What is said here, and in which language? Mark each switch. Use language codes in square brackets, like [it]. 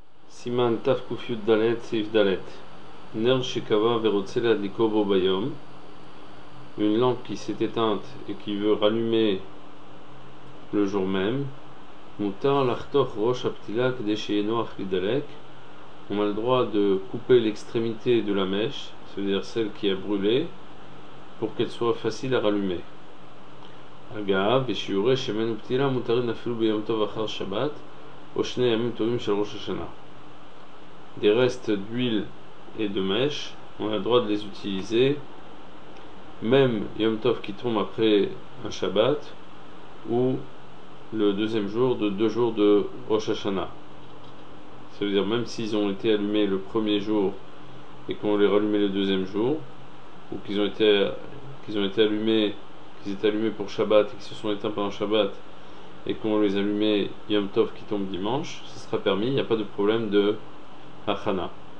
[he] סימן תקי"ד, סעיף ד', נר שקבע ורוצה להדליקו בו ביום, [fr] une lampe qui s'est éteinte et qui veut rallumer le jour même, [he] מותר לחתוך ראש הפתילה כדי שיהיה נוח לדלק, [fr] on a le droit de couper l'extrémité de la mèche, c'est-à-dire celle qui a brûlé, pour qu'elle soit facile à rallumer. [he] אגב, בשיעורי שמן ופתילה מותרים אפילו ביום טוב אחר שבת, או שני ימים טובים של ראש השנה. [fr] Des restes d'huile et de mèche, on a le droit de les utiliser, même Yom Tov qui tombe après un Shabbat, ou le deuxième jour de deux jours de Rosh Hashanah. Ça veut dire même s'ils ont été allumés le premier jour et qu'on les rallumait le deuxième jour, ou qu'ils étaient allumés pour Shabbat et qu'ils se sont éteints pendant Shabbat, et qu'on les allumait Yom Tov qui tombe dimanche, ce sera permis, il n'y a pas de problème de Hachana.